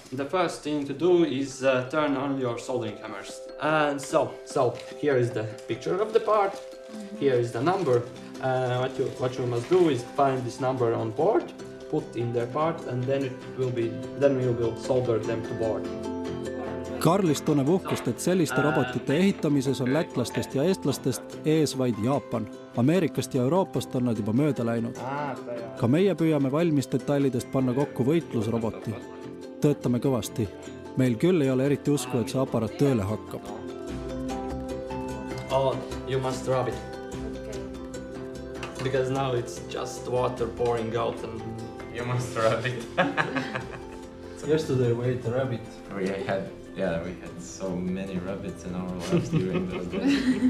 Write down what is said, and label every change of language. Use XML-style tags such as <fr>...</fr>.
<en>The first thing to do is turn on your soldering hammers. And so here is the picture of the part. Mm-hmm. Here is the number. What you must do is find this number on board, put in their part, and then we will solder them to board.</en> <et>Karlist tunneb uhkust, et selliste robotite ehitamises on lätlastest ja eestlastest ees vaid Jaapan. Ameerikast ja Euroopast on nad juba mööda läinud. Ka meie püüame valmis detailidest panna kokku võitlusroboti. Töötame kõvasti. Meil küll ei ole eriti usku, et see aparaat tööle hakkab.</et> <en>Oh, you must rub it. Because now it's just water pouring out and you must rub it. Yesterday we ate a rabbit. We had so many rabbits in our lives during those days.</en>